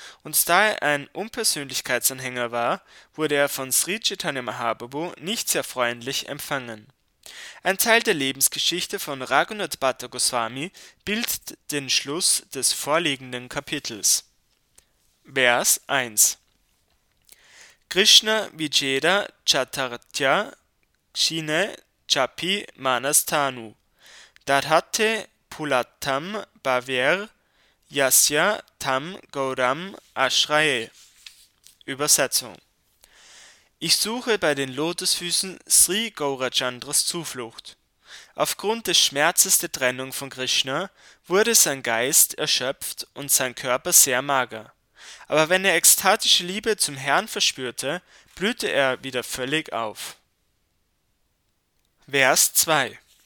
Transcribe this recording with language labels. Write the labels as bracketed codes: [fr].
[de] Und da er ein Unpersönlichkeitsanhänger war, wurde er von Sri Chaitanya Mahaprabhu nicht sehr freundlich empfangen. Ein Teil der Lebensgeschichte von Raghunath Bhatta Goswami bildet den Schluss des vorliegenden Kapitels. Vers 1. [sa] Krishna Vijeda Chatartya Kshine Chapi Manastanu Dadhate Pulattam Bhavir Yasya Tam Gauram Ashraye. [de] Übersetzung: Ich suche bei den Lotusfüßen Sri Gaurachandras Zuflucht. Aufgrund des Schmerzes der Trennung von Krishna wurde sein Geist erschöpft und sein Körper sehr mager. Aber wenn er ekstatische Liebe zum Herrn verspürte, blühte er wieder völlig auf. Vers 2.